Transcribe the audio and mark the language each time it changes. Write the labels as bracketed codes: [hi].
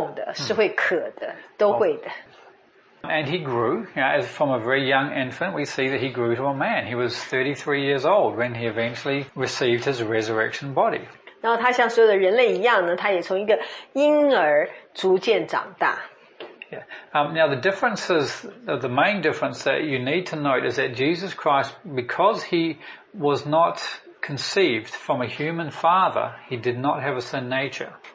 [zh] 而他呢，也跟所有的人类一样呢，他的这个人类的身体是会累的，是会饿的，是会痛的，是会渴的，都会的。And [en] he grew, as from a very young infant, we see that he grew to a man. He was 33 years old when he eventually received his resurrection body. [zh] 然后他像所有的人类一样呢，他也从一个婴儿逐渐长大。 [en] Yeah. Now the differences, the main difference that you need to note is that Jesus Christ, because he was not conceived from a human father, he did not have a sin nature.